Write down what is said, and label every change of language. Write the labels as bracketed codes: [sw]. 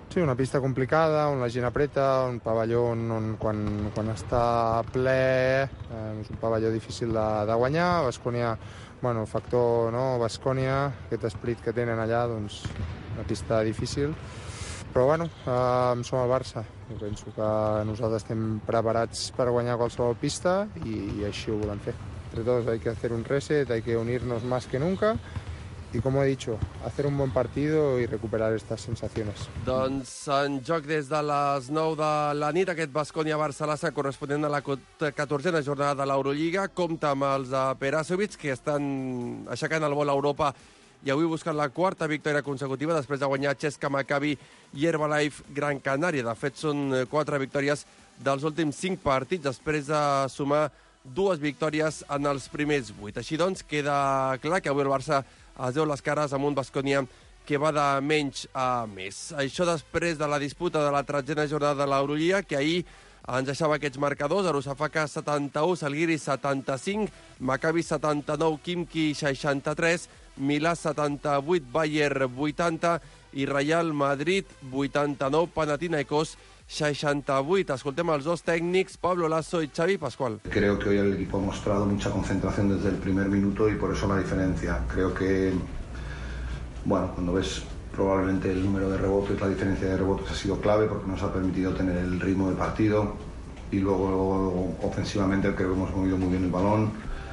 [ca] Sí, una pista complicada, on la gent apreta, un pavelló on quan està ple, és un pavelló difícil de guanyar, Baskonia. Bueno, factor, no?, Baskonia, aquest esperit que tenen allà, doncs, una pista difícil. Però, bueno, som el Barça. Jo penso que nosaltres estem preparats per guanyar qualsevol pista i així ho volem fer. [es] Entre tots, hay que hacer un reset, hay que unirnos más que nunca. Y, como he dicho, hacer un buen partido y recuperar estas sensaciones. [ca] Doncs en joc des de les 9 de la nit, aquest Baskonia-Barcelona corresponent a la 14a jornada de l'Eurolliga. Compta amb els de Perasovic, que estan aixecant el vol a Europa i avui buscant la quarta victòria consecutiva després de guanyar Xesca Maccabi i Herbalife Gran Canària. De fet, són 4 victòries dels últims 5 partits després de sumar 2 victòries en els primers 8. Així, doncs, queda clar que avui el Barça es deu les cares amb un Baskonia que va de menys a més. Això després de la disputa de la 13a jornada de l'Eurolliga, que ahir ens deixava aquests marcadors. Arousafaka 71, Salgiris 75, Maccabi 79, Kimki 63, Milà 78, Bayer 80 i Real Madrid 89, Panathinaikos 68. Escoltem els dos tècnics, Pablo Lasso i Xavi Pascual. [es] Creo que hoy el equipo ha mostrado mucha concentración desde el primer minuto y por eso la diferencia. Creo que, bueno, cuando ves probablemente el número de rebotes, la diferencia de rebotes ha sido clave porque nos ha permitido tener el ritmo de partido y luego ofensivamente creo que hemos movido muy bien el balón.